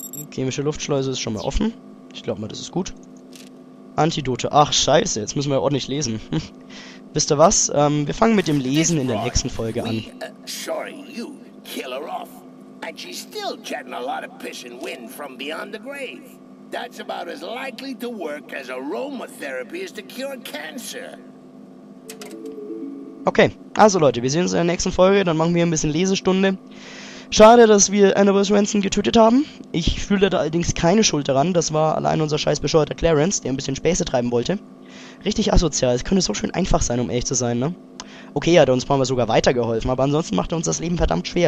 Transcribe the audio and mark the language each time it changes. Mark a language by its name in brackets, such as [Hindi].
[German] Chemische Luftschleuse ist schon mal offen. Ich glaube mal, das ist gut. [English] Antidote. [German] Ach, scheiße. Jetzt müssen wir ja ordentlich lesen. Wisst ihr was? Wir fangen mit dem Lesen in der nächsten Folge an. [English] Sorry, you kill her off. And she's still jetting a lot of piss and wind from beyond the grave. That's about as likely to work as aromatherapy is to cure cancer. [German] Okay, also Leute, wir sehen uns in der nächsten Folge, dann machen wir ein bisschen Lesestunde. Schade, dass wir Annabelle Swanson getötet haben. Ich fühle da allerdings keine Schuld daran, das war allein unser scheiß bescheuerter Clarence, der ein bisschen Späße treiben wollte. Richtig asozial, es könnte so schön einfach sein, um ehrlich zu sein, ne? Okay, er hat uns manchmal sogar weitergeholfen, aber ansonsten macht er uns das Leben verdammt schwer.